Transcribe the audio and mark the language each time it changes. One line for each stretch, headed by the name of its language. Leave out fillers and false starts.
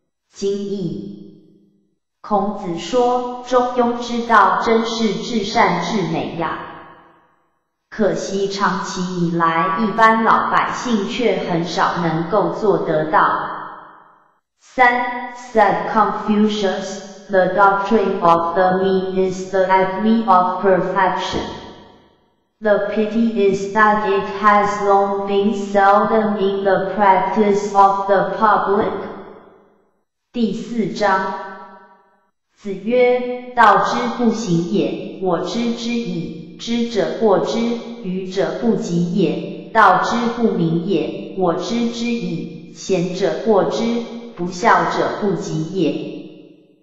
Chinese: 今义孔子说，中庸之道真是至善至美呀。可惜长期以来，一般老百姓却很少能够做得到。三
English: said Confucius, the doctrine of the Mi is the acme of perfection. The pity is that it has long been seldom in the practice of the public.
Chinese: 第四章。子曰：道之不行也，我知之矣，知者过之，愚者不及也。道之不明也，我知之矣，贤者过之，不孝者不及也。